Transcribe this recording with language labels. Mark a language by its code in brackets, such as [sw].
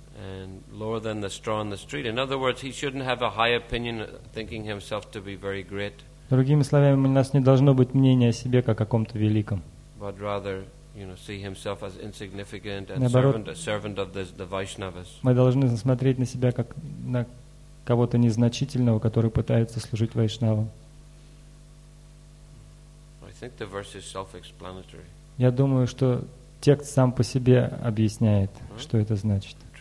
[en] And lower than the straw on the street. In other words, he shouldn't have a high opinion, thinking himself to be very great. [ru] Другими словами, у нас не должно быть мнения о себе как о каком-то великом. [en] But rather, you know, see himself as insignificant and servant of the Vaishnavas. [ru] Мы должны смотреть на себя как на кого-то незначительного, который пытается служить вайшнавам. [en] I think the verse is self-explanatory. [ru] Я думаю, что текст сам по себе объясняет, что это значит.